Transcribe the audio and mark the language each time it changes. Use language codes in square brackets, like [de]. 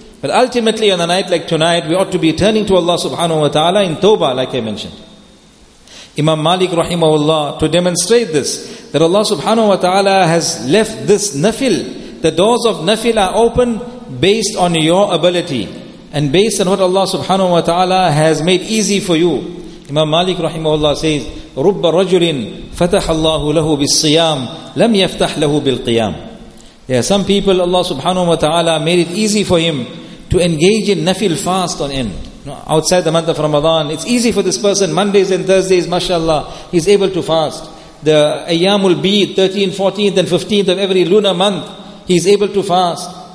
[en] But ultimately on a night like tonight, we ought to be turning to Allah subhanahu wa ta'ala in tawbah, like I mentioned. Imam Malik rahimahullah, to demonstrate this, that Allah subhanahu wa ta'ala has left this nafil, the doors of nafil are open based on your ability and based on what Allah subhanahu wa ta'ala has made easy for you. Imam Malik rahimahullah says, [ar] رُبَّ رَجُلٍ فَتَحَ اللَّهُ لَهُ بِالصِّيَامِ لَمْ يَفْتَحْ لَهُ بِالْقِيَامِ. [en] There are some people, Allah subhanahu wa ta'ala made it easy for him to engage in nafil fast on end. Outside the month of Ramadan, it's easy for this person. Mondays and Thursdays, mashallah, he's able to fast. The Ayyamul Bid, 13th, 14th and 15th of every lunar month, he's able to fast.